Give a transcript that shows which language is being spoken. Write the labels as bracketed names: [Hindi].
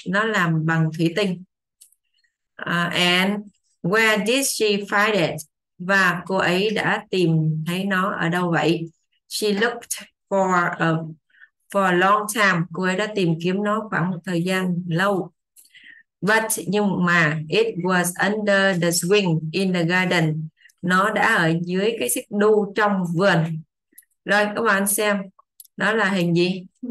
[Vietnamese] Nó làm bằng thủy tinh. [English] And where did she find it? [Vietnamese] Và cô ấy đã tìm thấy nó ở đâu vậy? [English] She looked for a long time. [Vietnamese] Cô ấy đã tìm kiếm nó khoảng một thời gian lâu. [English] But [Vietnamese] nhưng mà [English] it was under the swing in the garden. [Vietnamese] Nó đã ở dưới cái xích đu trong vườn. Rồi các bạn xem, đó là hình gì?